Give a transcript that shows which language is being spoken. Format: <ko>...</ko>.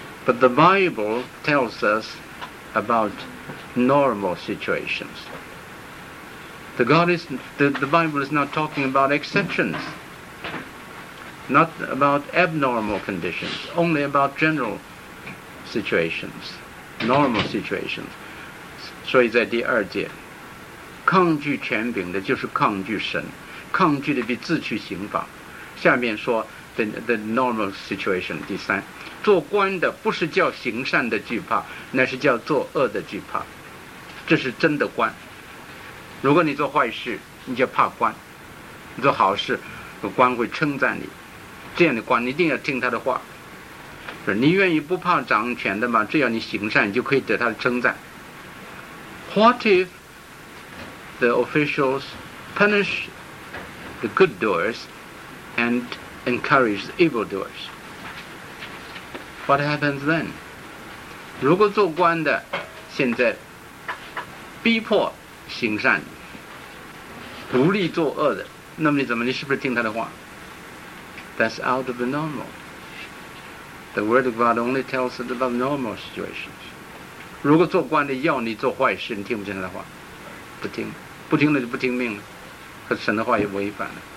<en>But the Bible tells us about normal situations. The Bible is not talking about exceptions, not about abnormal conditions, only about general situations, normal situations.</en> <zh>所以在第二节，抗拒权柄的就是抗拒神，抗拒的比自取刑罚。下面说</zh> <en>the normal situation，</en> <zh>第三，做官的不是叫行善的惧怕，乃是叫做恶的惧怕。这是真的官，如果你做坏事你就怕官，你做好事官会称赞你，这样的官你一定要听他的话。你愿意不怕掌权的吗？只要你行善，你就可以得他的称赞。</zh> <en>What if the officials punish the good doers and encourage the evil doers? What happens then?</en> <zh>如果做官的现在逼迫行善，不利作恶的，那么你怎么，你是不是听他的话？</zh> <en>That's out of the normal. The word of God only tells us about normal situations.</en> <zh>如果做官的要你做坏事，你听不听他的话？不听，不听了就不听命了，和神的话也违反了。</zh>